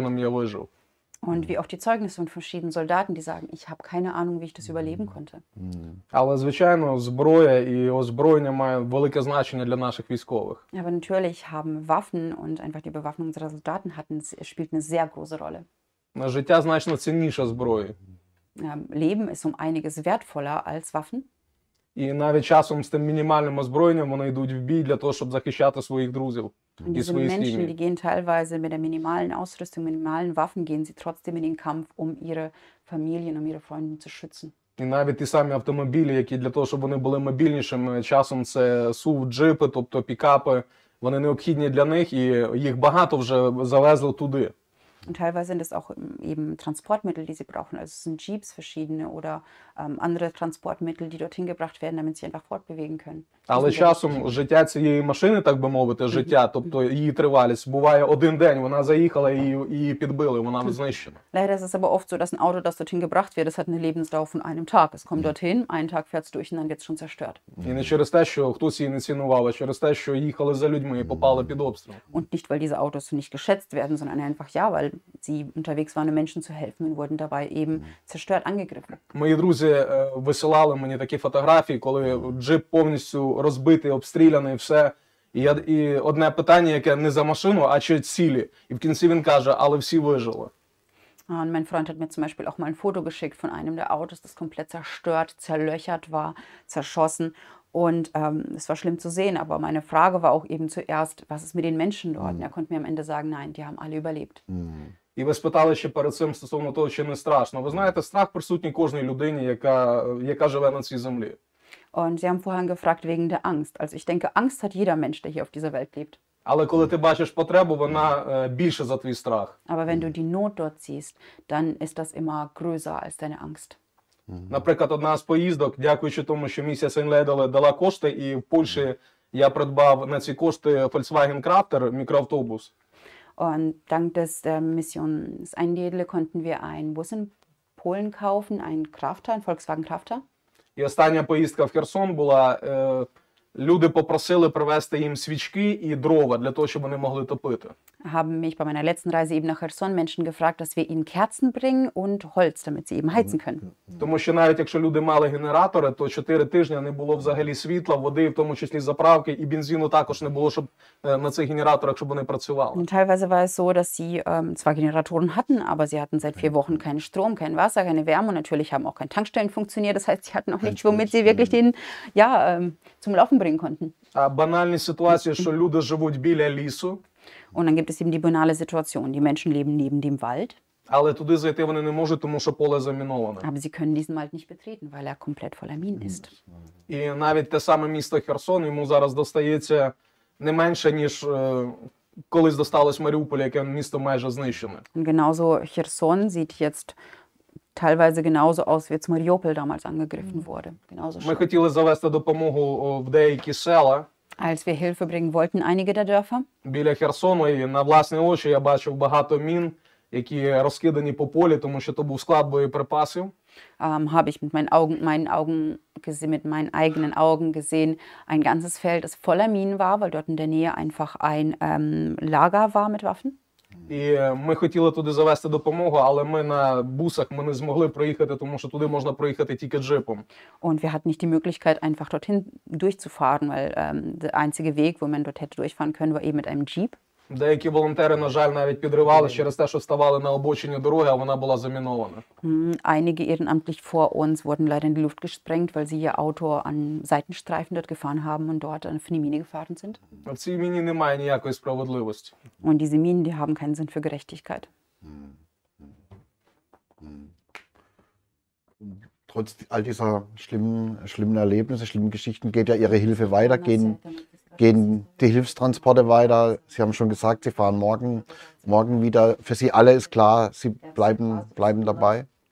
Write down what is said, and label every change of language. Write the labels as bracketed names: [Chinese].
[German] Und wie auch die Zeugnisse von verschiedenen Soldaten, die sagen, ich habe keine Ahnung, wie ich das überleben konnte. Aber natürlich haben Waffen und einfach die Bewaffnung unserer Soldaten spielt eine sehr große Rolle. [Ukrainian] Життя значно цінніше зброї. [German] Leben ist um einiges wertvoller als Waffen. [Ukrainian] І навіть часом з тим мінімальним озброєнням вони йдуть в бій для того, щоб захищати своїх друзів і свої сім'ї. [German] Menschen, die gehen teilweise mit der minimalen Ausrüstung, minimalen Waffen, gehen sie trotzdem in den Kampf, um ihre Familien, um ihre Freunde zu schützen. [Ukrainian] І навіть ті самі автомобілі, які для того, щоб вони були мобільнішими, часом це SUV, джипи, тобто пікапи, вони необхідні для них, і їх багато вже завезли туди. [German] Und teilweise sind es auch eben Transportmittel, die sie brauchen. Also es sind Jeeps verschiedene oder andere Transportmittel, die dorthin gebracht werden, damit sie sich einfach fortbewegen können. [Ukrainian] Але часом життя цієї машини, так би мовити, життя, тобто її тривалість, буває один день, вона заїхала і її підбили, вона знищена. [German] Leider ist es aber oft so, dass ein Auto, das dorthin gebracht wird, es hat eine Lebensdauer von einem Tag. Es kommt dorthin, einen Tag fährt es durch und dann wird es schon zerstört. [Ukrainian] І не через те, що хтось її не цінував, а через те, що їхали за людьми і попали під обстріл. [German] Und nicht, weil diese Autos nicht geschätzt werden, sondern einfach ja, weil sie unterwegs waren, um Menschen zu helfen und wurden dabei eben zerstört, angegriffen. [Ukrainian] Мої друзі висилали мені такі фотографії, коли джип повністю розбитий, обстріляний, все. І одне питання, яке не за машину, а чи цілі. І в кінці він каже, але всі вижили. [German] Und mein Freund hat mir zum Beispiel auch mal ein Foto geschickt von einem der Autos, das komplett zerstört, zerlöchert war, zerschossen. Und es war schlimm zu sehen, aber meine Frage war auch eben zuerst, was ist mit den Menschen dort? Und er konnte mir am Ende sagen, nein, die haben alle überlebt. [Ukrainian] І ви спитали ще перед цим стосовно того, чи не страшно. Ви знаєте, страх присутній кожній людині, яка живе на цій землі. [German] Und sie haben vorhin gefragt wegen der Angst. Also ich denke, Angst hat jeder Mensch, der hier auf dieser Welt lebt. [Ukrainian] Але коли ти бачиш потребу, вона більше за твій страх. [German] Aber wenn du die Not dort siehst, dann ist das immer größer als deine Angst. [Ukrainian] Наприклад, одна з поїздок, дякуючи тому, що місія Сенледеле дала кошти, і в Польщі я придбав на ці кошти Volkswagen Crafter, мікроавтобус. [German] Und dank des Missions Einlädele konnten wir einen Bus in Polen kaufen, einen Crafter, einen Volkswagen Crafter. [Ukrainian] І остання поїздка в Херсон була, люди попросили привезти їм свічки і дрова для того, щоб вони могли топити. [German] Haben mich bei meiner letzten Reise eben nach Herson Menschen gefragt, dass wir ihnen Kerzen bringen und Holz, damit sie eben heizen können. [Ukrainian] Тому що навіть якщо люди мали генератори, то 4 тижні не було взагалі світла, води, в тому числі заправки і бензину також не було, щоб на цих генераторах, щоб вони працювали. [German] Und teilweise war es so, dass sie zwar Generatoren hatten, aber sie hatten seit 4 Wochen keinen Strom, kein Wasser, keine Wärme und natürlich haben auch keine Tankstellen funktioniert, das heißt, sie hatten auch nichts, womit sie wirklich den zum Laufen bringen konnten. [Ukrainian] А банальні ситуації, що люди живуть біля лісу. [German] Und dann gibt es eben die banale Situation, die Menschen leben neben dem Wald. [Ukrainian] Але туди зайти вони не можуть, тому що поле заміноване. [German] Aber sie können diesen Wald nicht betreten, weil komplett voller Minen ist. [Ukrainian] І навіть те саме місто Херсон, йому зараз достається не менше, ніж колись досталось Маріуполь, яке місто майже знищене. [German] Und genauso Херсон sieht jetzt teilweise genauso aus, wie es Mariupol damals angegriffen wurde. Genauso [Ukrainian] Ми хотіли завести допомогу в деякі села. [German] Als wir Hilfe bringen wollten, einige der Dörfer. [Ukrainian] Біля Херсону і на власні очі я бачив багато мін, які розкидані по полі, тому що то був склад боєприпасів. [German] Habe ich mit meinen eigenen Augen gesehen, ein ganzes Feld, das voller Minen war, weil dort in der Nähe einfach ein Lager war mit Waffen. [Ukrainian] І ми хотіли туди завести допомогу, але ми на бусах ми не змогли проїхати, тому що туди можна проїхати тільки джипом. [German] Und wir hatten nicht die Möglichkeit einfach dorthin durchzufahren, weil der einzige Weg, wo man dort hätte durchfahren können, war eben mit einem Jeep. [Ukrainian] Деякі волонтери, на жаль, навіть підривали через те, що ставали на обочині дороги, а вона була замінована. [German] Einige ehrenamtlich vor uns wurden leider in die Luft gesprengt, weil sie ihr Auto an Seitenstreifen dort gefahren haben und dort auf eine Mine gefahren sind. [Ukrainian] А в цій міні немає ніякої справедливості. [German] Und diese Minen, die haben keinen Sinn für Gerechtigkeit. Trotz all dieser schlimmen Erlebnisse, schlimmen Geschichten, geht ja Ihre Hilfe weiter, gehen die Hilfstransporte weiter. Sie haben schon gesagt, Sie fahren morgen wieder. Für Sie alle ist klar, Sie bleiben dabei.